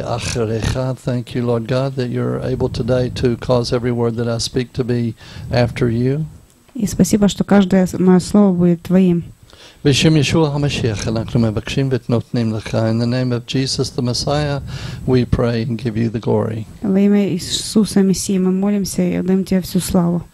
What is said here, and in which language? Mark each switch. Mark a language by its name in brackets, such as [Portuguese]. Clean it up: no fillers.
[English] Thank you, Lord God, that you're able today to cause every word that I speak to be after you. [Russian] И спасибо, что каждое мое слово будет твоим. [Hebrew] בשם ישוע המשיח אנחנו מבקשים ותנותנים לך. [English] In the name of Jesus the Messiah, we pray and give you the glory. [Russian] Во имя Иисуса Мессии мы молимся и отдаем тебе всю славу.